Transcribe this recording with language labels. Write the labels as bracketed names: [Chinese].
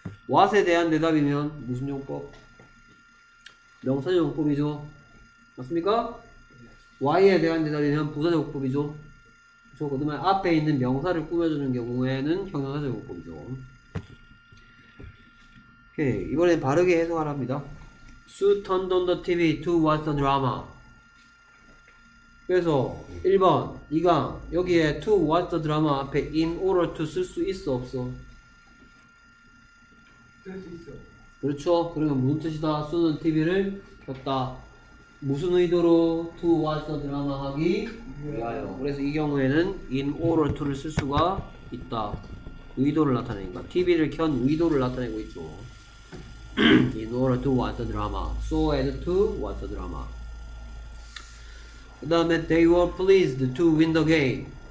[Korean] What에 대한 대답이면 무슨 용법? 명사 용법이죠. 맞습니까? Why에 대한 대답이면 부사 용법이죠. 그 다음에 앞에 있는 명사를 꾸며주는 경우에는 형용사 제목법이죠. 오케이, 이번엔 바르게 해석하랍니다. [English] Sue turned on the TV to watch the drama. [Korean] 그래서 1번 2강 여기에 [English] to watch the drama [Korean] 앞에 [English] in order to [Korean] 쓸 수 있어 없어? 쓸 수 있어. 그렇죠. 그러면 무슨 뜻이다? Sue는 TV를 켰다. 무슨 의도로 [English] to watch the drama [Korean] 하기 위하여. 그래서 이 경우에는 [English] in order to [Korean] 를 쓸 수가 있다. 의도를 나타내니까 TV를 켠 의도를 나타내고 있죠. [English] In order to watch the drama, so as to watch the drama. [Korean] 그 다음에 [English] they were pleased to win the game.